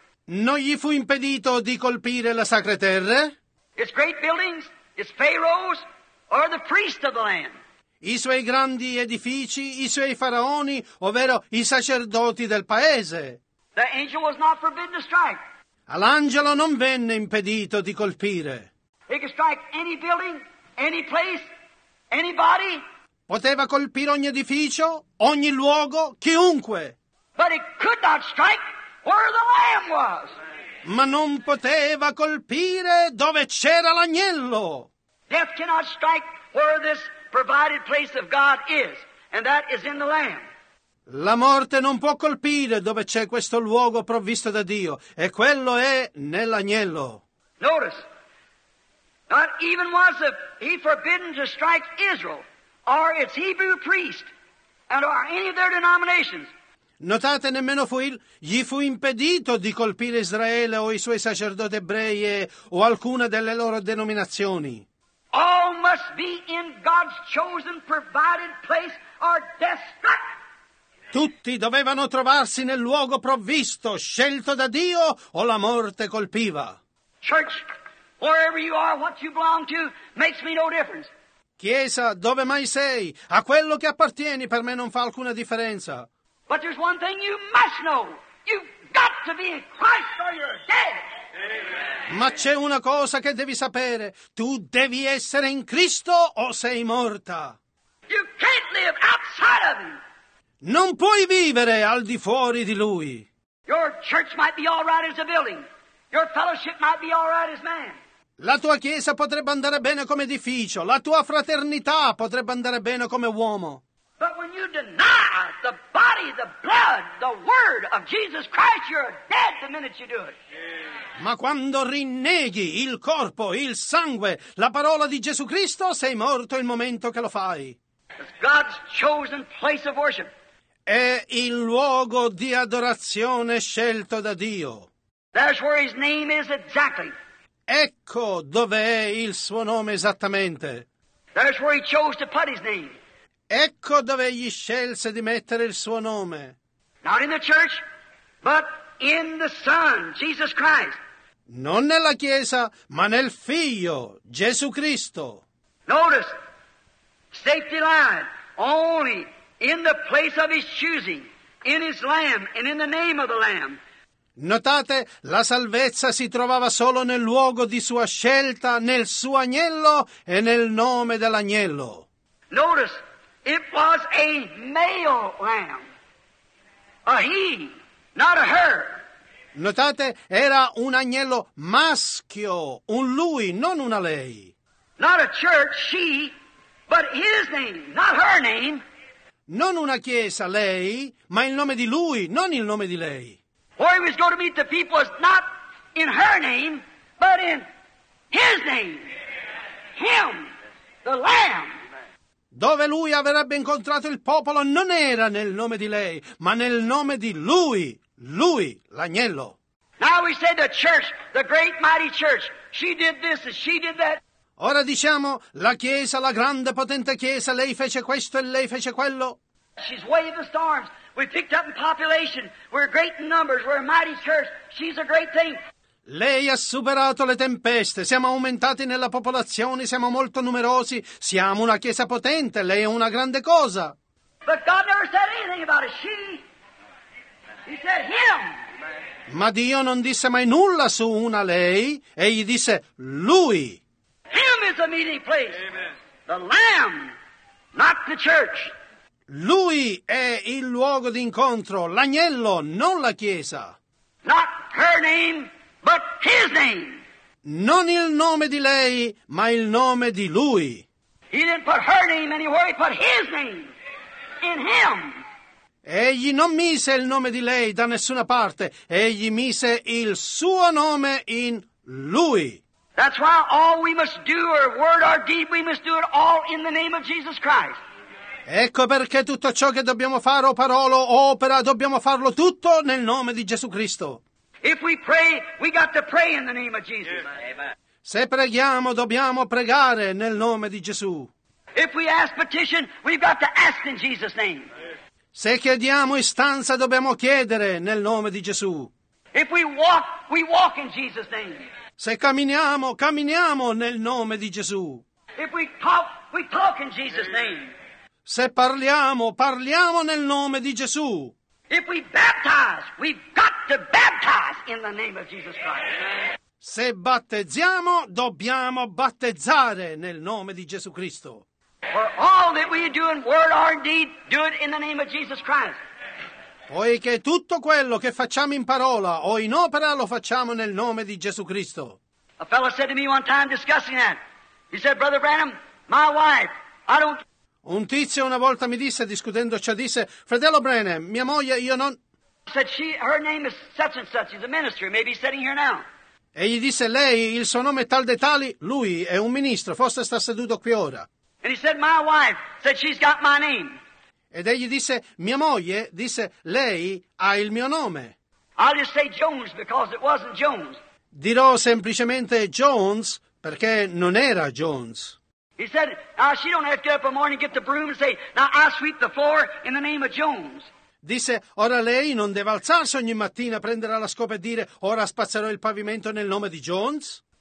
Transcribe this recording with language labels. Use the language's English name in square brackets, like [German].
[Italian] Non gli fu impedito di colpire le sacre terre. [English] Its great buildings, its pharaohs, or the priests of the land. [Italian] I suoi grandi edifici, i suoi faraoni, ovvero i sacerdoti del paese. [English] The angel was not forbidden to strike. [Italian] All'angelo non venne impedito di colpire. [English] He could strike any building, any place, anybody. [Italian] Poteva colpire ogni edificio, ogni luogo, chiunque. [English] But he could not strike where the Lamb was. [Italian] Ma non poteva colpire dove c'era l'agnello. [English] Death cannot strike where this provided place of God is. and that is in the Lamb. [Italian] La morte non può colpire dove c'è questo luogo provvisto da Dio, e quello è nell'agnello. [English] Notice, not even was he forbidden to strike Israel or its Hebrew priest and or any of their denominations. [Italian] Notate, nemmeno gli fu impedito di colpire Israele o i suoi sacerdoti ebrei o alcuna delle loro denominazioni. [English] All must be in God's chosen provided place or destruct. [Italian] Tutti dovevano trovarsi nel luogo provvisto, scelto da Dio, o la morte colpiva. [English] Church, wherever you are, what you belong to, makes me no difference. [Italian] Chiesa, dove mai sei? A quello che appartieni per me non fa alcuna differenza. [English] But there's one thing you must know. You've got to be in Christ or you're dead. [Italian] Ma c'è una cosa che devi sapere. Tu devi essere in Cristo o sei morta. [English] You can't live outside of him. [Italian] Non puoi vivere al di fuori di lui. [English] Your church might be all right as a building. Your fellowship might be all right as man. [Italian] La tua chiesa potrebbe andare bene come edificio. La tua fraternità potrebbe andare bene come uomo. [English] But when you deny the body, the blood, the word of Jesus Christ, you're dead the minute you do it. [Italian] Ma quando rinneghi il corpo, il sangue, la parola di Gesù Cristo, sei morto il momento che lo fai. [English] It's God's chosen place of worship. [Italian] È il luogo di adorazione scelto da Dio. [English] That's where his name is exactly. [Italian] Ecco dove è il suo nome esattamente. [English] That's where he chose to put his name. [Italian] Ecco dove egli scelse di mettere il suo nome. [English] Not in the church, but in the Son, Jesus Christ. [Italian] Non nella Chiesa, ma nel Figlio, Gesù Cristo. [English] Notice, safety line, only in the place of his choosing, in his Lamb, and in the name of the Lamb. [Italian] Notate, la salvezza si trovava solo nel luogo di sua scelta, nel suo agnello e nel nome dell'agnello. [English] Notice, it was a male lamb, a he, not a her. [Italian] Notate, era un agnello maschio, un lui, non una lei. [English] Not a church, she, but his name, not her name. [Italian] Non una chiesa, lei, ma il nome di lui, non il nome di lei. [English] Where he was going to meet the people was not in her name, but in his name, him, the lamb. [Italian] Dove lui avrebbe incontrato il popolo non era nel nome di lei, ma nel nome di lui, lui, l'agnello. [English] Now we say the church, the great mighty church, she did this and she did that. [Italian] Ora diciamo, la chiesa, la grande potente chiesa, lei fece questo e lei fece quello. [English] She's waved the storms, we picked up in population, we're great in numbers, we're a mighty church, she's a great thing. [Italian] Lei ha superato le tempeste, siamo aumentati nella popolazione, siamo molto numerosi, siamo una chiesa potente, lei è una grande cosa. [English] But God never said anything about a she. He said him. [Italian] Ma Dio non disse mai nulla su una lei, egli disse lui. [English] Him is the meeting place. Amen. The Lamb, not the church. [Italian] Lui è il luogo d'incontro, l'agnello, non la chiesa. [English] Not her name. But his name. [Italian] Non il nome di lei, ma il nome di lui. [English] He didn't put her name anywhere, he put his name in him. [Italian] Egli non mise il nome di lei da nessuna parte, egli mise il suo nome in lui. [English] That's why all we must do, or word or deed, we must do it all in the name of Jesus Christ. [Italian] Ecco perché tutto ciò che dobbiamo fare, o parola o opera, dobbiamo farlo tutto nel nome di Gesù Cristo. [English] If we pray, we got to pray in the name of Jesus. Amen. [Italian] Se preghiamo, dobbiamo pregare nel nome di Gesù. [English] If we ask petition, we've got to ask in Jesus' name. [Italian] Se chiediamo istanza, dobbiamo chiedere nel nome di Gesù. [English] If we walk, we walk in Jesus' name. [Italian] Se camminiamo, camminiamo nel nome di Gesù. [English] If we talk, we talk in Jesus' name. [Italian] Se parliamo, parliamo nel nome di Gesù. [English] If we baptize, we've got to baptize in the name of Jesus Christ. [Italian] Se battezziamo, dobbiamo battezzare nel nome di Gesù Cristo. [English] For all that we do in word or deed, do it in the name of Jesus Christ. [Italian] Poiché tutto quello che facciamo in parola o in opera lo facciamo nel nome di Gesù Cristo. [English] A fellow said to me one time discussing that. He said, Brother Branham, my wife, I don't... [Italian] Un tizio una volta mi disse, discutendo ciò, disse: fratello Branham, mia moglie, io non... [English] Said she, her name is such and such, she's a minister, maybe sitting here now. [Italian] E gli disse: lei, il suo nome è tal de tali, lui è un ministro, forse sta seduto qui ora. [English] And he said, my wife said she's got my name. [Italian] Ed egli disse: mia moglie, disse, lei ha il mio nome. [English] I'll just say Jones because it wasn't Jones. [Italian] Dirò semplicemente Jones perché non era Jones. [English] He said, now she don't have to get up in the morning, get the broom and say, now I sweep the floor in the name of Jones. [Italian] Disse: ora lei non deve alzarsi ogni mattina, prendere la scopa e dire: ora spazzerò il pavimento nel nome di Jones.